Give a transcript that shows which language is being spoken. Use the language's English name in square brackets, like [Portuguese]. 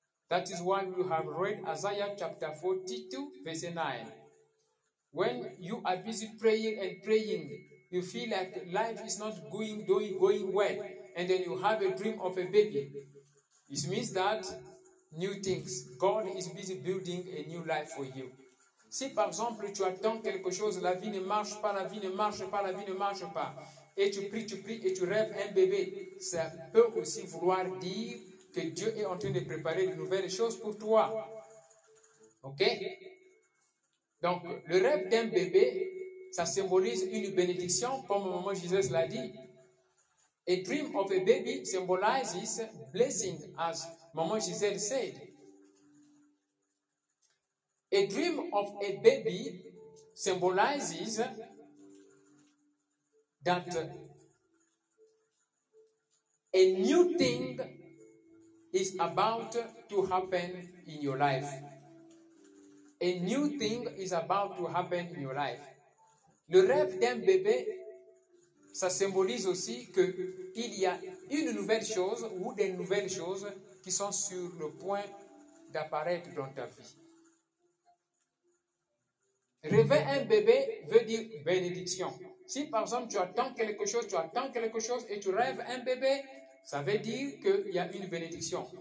[English] That is why we have read Isaiah chapter 42, verse 9. When you are busy praying and praying, you feel like life is not going well, and then you have a dream of a baby. It means that new things. God is busy building a new life for you. [French] Si par exemple tu attends quelque chose, la vie ne marche pas, la vie ne marche pas, la vie ne marche pas, et tu pries et tu rêves un bébé, ça peut aussi vouloir dire que Dieu est en train de préparer de nouvelles choses pour toi. Ok? Donc, le rêve d'un bébé, ça symbolise une bénédiction, comme maman Jésus l'a dit. [English] A dream of a baby symbolizes blessing, as maman Jésus said. A dream of a baby symbolizes that a new thing is about to happen in your life. A new thing is about to happen in your life. [French] Le rêve d'un bébé, ça symbolise aussi qu'il y a une nouvelle chose ou des nouvelles choses qui sont sur le point d'apparaître dans ta vie. Rêver un bébé veut dire bénédiction. Si par exemple tu attends quelque chose et tu rêves un bébé, ça veut dire qu'il y a une bénédiction.